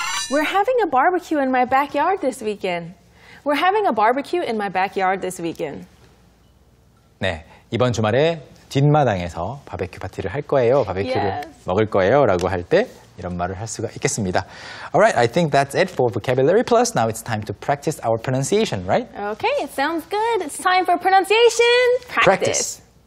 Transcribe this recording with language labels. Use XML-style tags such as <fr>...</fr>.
<en>We're having a barbecue in my backyard this weekend. We're having a barbecue in my backyard this weekend.</en> <ko>네. 이번 주말에 뒷마당에서 바베큐 파티를 할 거예요. 바베큐를</ko> <en>yes.</en> <ko>먹을 거예요라고 할 때 이런 말을 할 수가 있겠습니다.</ko> <en>Alright, I think that's it for vocabulary plus. Now it's time to practice our pronunciation, right? Okay, it sounds good. It's time for pronunciation practice.</en>